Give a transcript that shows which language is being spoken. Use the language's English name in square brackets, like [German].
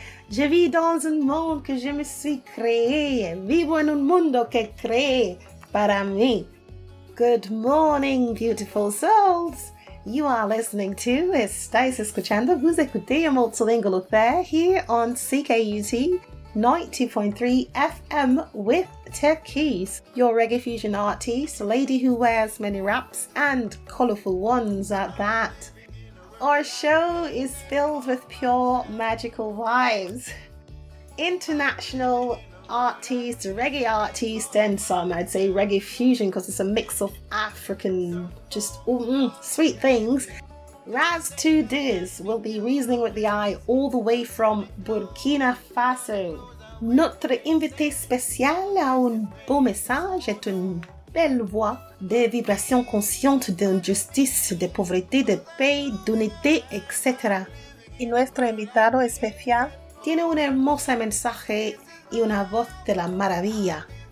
[French] Je vis dans un monde que je me suis créé. [Spanish] Vivo en un mundo que créé para mí. [English] Good morning, beautiful souls. You are listening to Estáis Escuchando, Vos Escuté a Multilingual Affair here on CKUT 90.3 FM with Turquoise, your reggae fusion artist, a lady who wears many wraps and colourful ones at that. Our show is filled with pure magical vibes. International artist, reggae artist, and some I'd say reggae fusion because it's a mix of African, just sweet things. Raz Two-Diz will be reasoning with the eye all the way from Burkina Faso. [French] Notre invité spécial a un beau message et une belle voix des vibrations conscientes d'injustice, de pauvreté, de paix, d'unité, etc. [Spanish] Y nuestro invitado especial tiene un hermoso mensaje y una voz de la maravilla.